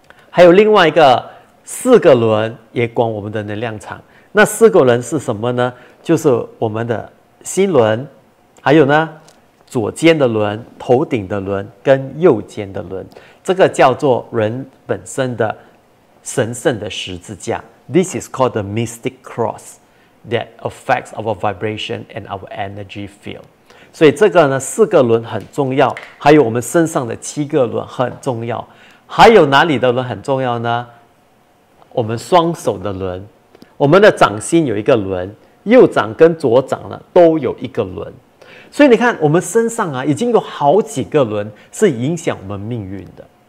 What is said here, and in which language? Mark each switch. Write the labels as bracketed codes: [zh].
[zh] 还有另外一个四个轮也管我们的能量场。那四个轮是什么呢？就是我们的心轮，还有呢左肩的轮、头顶的轮跟右肩的轮，这个叫做人本身的神圣的十字架。 [en] This is called the mystic cross that affects our vibration and our energy field. [zh] 所以这个呢，四个轮很重要，还有我们身上的七个轮很重要，还有哪里的轮很重要呢？我们双手的轮，我们的掌心有一个轮，右掌跟左掌呢都有一个轮。所以你看，我们身上啊已经有好几个轮是影响我们命运的。